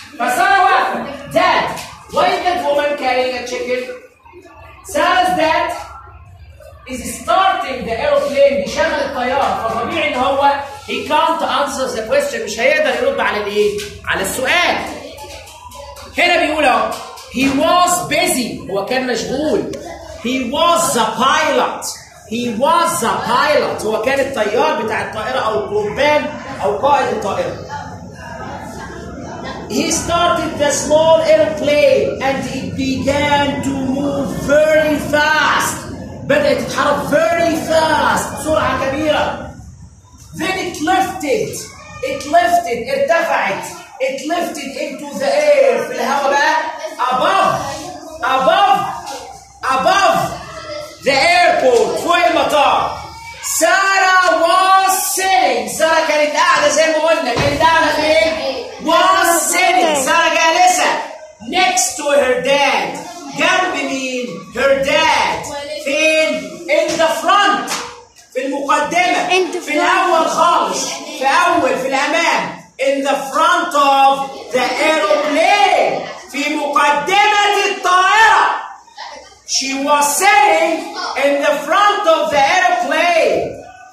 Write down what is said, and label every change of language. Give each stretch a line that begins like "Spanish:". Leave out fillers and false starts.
Arabic: فسارة واقفة.
English: Dad، why is that woman carrying a chicken؟ Sarah's dad is starting the airplane،
Arabic: بيشغل الطيارة، فطبيعي إن هو
English: he can't answer the question،
Arabic: مش هيقدر يرد على الإيه؟ على السؤال. هنا بيقول أهو
English: he was busy،
Arabic: هو كان مشغول.
English: He was the pilot. He was the pilot.
Arabic: هو كان الطيار بتاع الطائرة أو الكوبان أو قائد الطائرة.
English: He started the small airplane and it began to move very fast.
Arabic: بدأت تتحرك
English: very fast.
Arabic: بسرعة كبيرة.
English: Then it lifted. It lifted.
Arabic: ارتفعت.
English: It lifted into the air.
Arabic: في الهواء بقى.
English: Above the airport,
Arabic: فوق المطار.
English: Sarah was sitting.
Arabic: Sarah كانت قاعدة زي ما قلنا. كانت قاعدة فين؟
English: Was sitting. Sarah
Arabic: جالسة
English: next to her dad.
Arabic: جنب مين؟
English: Her dad.
Arabic: فين؟
English: In the front.
Arabic: في المقدمة. في الأول خالص. في أول في الأمام.
English: In the front of the aeroplane.
Arabic: في مقدمة الطائرة.
English: She was sitting in the front of the airplane.